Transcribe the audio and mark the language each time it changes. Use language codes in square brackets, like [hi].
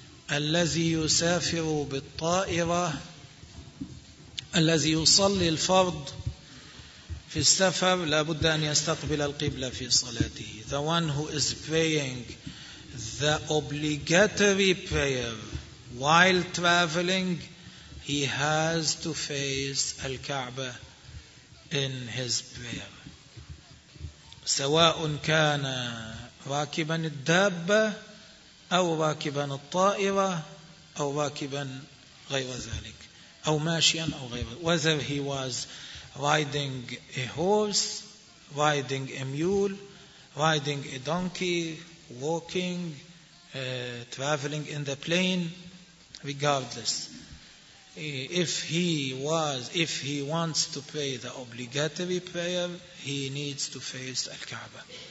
[ar] الذي يسافر بالطائرة الذي يصلي الفرض في السفر لابد أن يستقبل القبلة في صلاته. [en] The one who is praying the obligatory prayer while traveling, he has to face Al-Kaaba in his prayer. [ar] سواء كان راكبا الدابة أو راكبا الطائرة أو راكبا غير ذلك أو ماشيا أو غير ذلك. [en] Whether he was riding a horse, riding a mule, riding a donkey, walking, traveling in the plane, regardless. If he wants to pray the obligatory prayer, he needs to face Al-Kaaba.